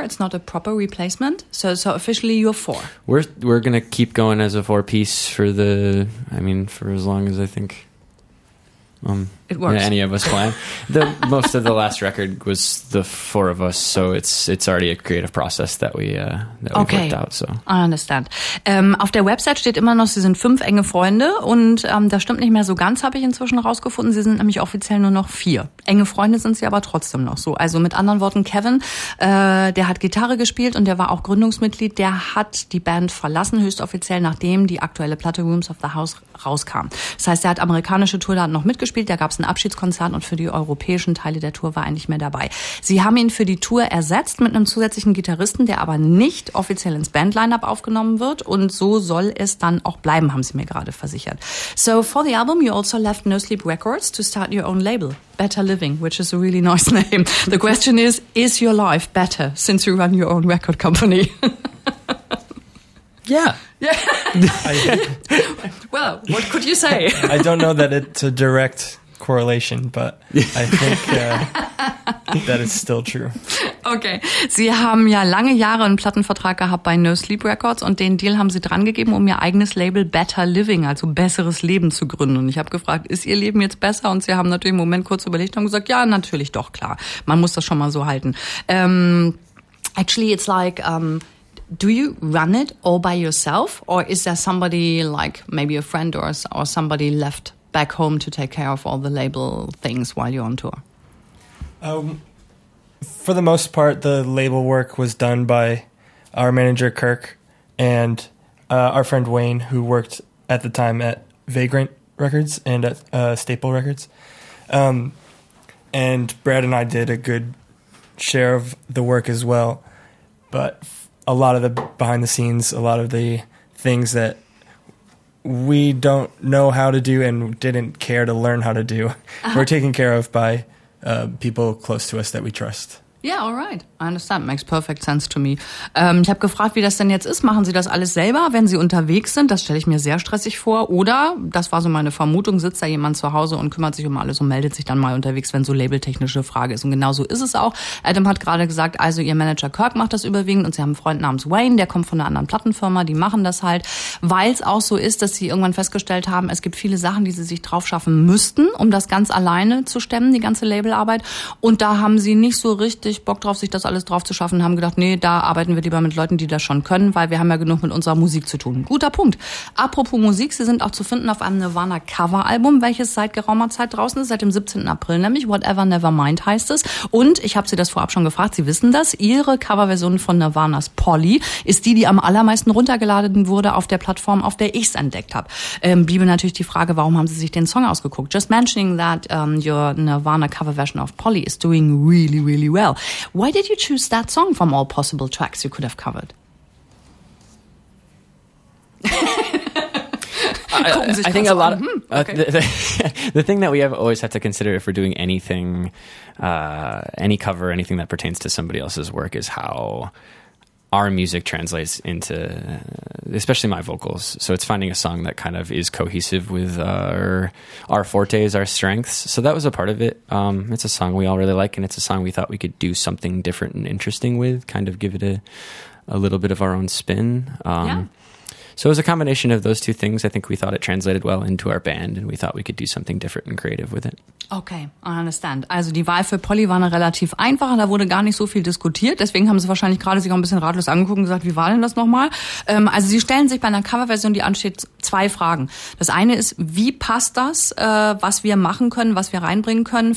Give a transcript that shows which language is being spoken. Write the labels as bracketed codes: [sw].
[en] It's not a proper replacement. So officially you're 4. We're going to keep going as a 4-piece for as long as I think it works. Yeah, any of us plan. Most of the last record was the 4 of us, so it's already a creative process that we've worked out. So. I understand. [de] Auf der Website steht immer noch, Sie sind 5 enge Freunde, und das stimmt nicht mehr so ganz, habe ich inzwischen rausgefunden. Sie sind nämlich offiziell nur noch 4. Enge Freunde sind Sie aber trotzdem noch so. Also mit anderen Worten, Kevin, der hat Gitarre gespielt und der war auch Gründungsmitglied, der hat die Band verlassen, höchst offiziell, nachdem die aktuelle Platte Rooms of the House rauskam. Das heißt, er hat amerikanische Tourdaten noch mitgespielt, der gab ein Abschiedskonzert, und für die europäischen Teile der Tour war er nicht mehr dabei. Sie haben ihn für die Tour ersetzt mit einem zusätzlichen Gitarristen, der aber nicht offiziell ins Band-Lineup aufgenommen wird, und so soll es dann auch bleiben, haben sie mir gerade versichert. [en] So, for the album, you also left No Sleep Records to start your own label, Better Living, which is a really nice name. The question is your life better since you run your own record company? Yeah. Well, what could you say? I don't know that it's a direct correlation, but I think that it's still true. Okay. [de] Sie haben ja lange Jahre einen Plattenvertrag gehabt bei No Sleep Records und den Deal haben Sie drangegeben, um Ihr eigenes Label Better Living, also besseres Leben, zu gründen. Und ich habe gefragt, ist Ihr Leben jetzt besser? Und Sie haben natürlich im Moment kurz überlegt und gesagt, ja, natürlich, doch, klar. Man muss das schon mal so halten. [en] Actually, it's like, do you run it all by yourself? Or is there somebody, like maybe a friend or somebody left back home to take care of all the label things while you're on tour? For the most part, the label work was done by our manager, Kirk, and our friend Wayne, who worked at the time at Vagrant Records and at Staple Records. And Brad and I did a good share of the work as well. But a lot of the behind the scenes, a lot of the things that we don't know how to do and didn't care to learn how to do, were taken care of by people close to us that we trust. Yeah, all right. I understand. Makes perfect sense to me. [de] Ich habe gefragt, wie das denn jetzt ist. Machen Sie das alles selber, wenn Sie unterwegs sind? Das stelle ich mir sehr stressig vor. Oder, das war so meine Vermutung, sitzt da jemand zu Hause und kümmert sich um alles und meldet sich dann mal unterwegs, wenn so labeltechnische Frage ist. Und genau so ist es auch. Adam hat gerade gesagt, also Ihr Manager Kirk macht das überwiegend und Sie haben einen Freund namens Wayne, der kommt von einer anderen Plattenfirma, die machen das halt. Weil es auch so ist, dass Sie irgendwann festgestellt haben, es gibt viele Sachen, die Sie sich drauf schaffen müssten, um das ganz alleine zu stemmen, die ganze Labelarbeit. Und da haben Sie nicht so richtig Bock drauf, sich das alles drauf zu schaffen, haben gedacht, nee, da arbeiten wir lieber mit Leuten, die das schon können, weil wir haben ja genug mit unserer Musik zu tun. Guter Punkt. Apropos Musik, Sie sind auch zu finden auf einem Nirvana-Cover-Album, welches seit geraumer Zeit draußen ist, seit dem 17. April nämlich. Whatever Nevermind heißt es. Und ich habe Sie das vorab schon gefragt, Sie wissen das, Ihre Coverversion von Nirvanas Polly ist die, die am allermeisten runtergeladen wurde auf der Plattform, auf der ich es entdeckt habe. Bliebe natürlich die Frage, warum haben Sie sich den Song ausgeguckt? [en] Just mentioning that your Nirvana-Cover-Version of Polly is doing really, really well. Why did you choose that song from all possible tracks you could have covered? I think a lot of the thing that we have always had to consider if we're doing anything, any cover, anything that pertains to somebody else's work, is how our music translates into, especially my vocals. So it's finding a song that kind of is cohesive with our fortes, our strengths. So that was a part of it. It's a song we all really like, and it's a song we thought we could do something different and interesting with, kind of give it a little bit of our own spin. So it was a combination of those two things. I think we thought it translated well into our band, and we thought we could do something different and creative with it. Okay, I understand. [de] Also die Wahl für Polly war eine relativ einfache, da wurde gar nicht so viel diskutiert. Deswegen haben sie wahrscheinlich gerade sich auch ein bisschen ratlos angeguckt und gesagt, wie war denn das nochmal? Also sie stellen sich bei einer Coverversion, die ansteht, zwei Fragen. Das eine ist, wie passt das, was wir machen können, was wir reinbringen können?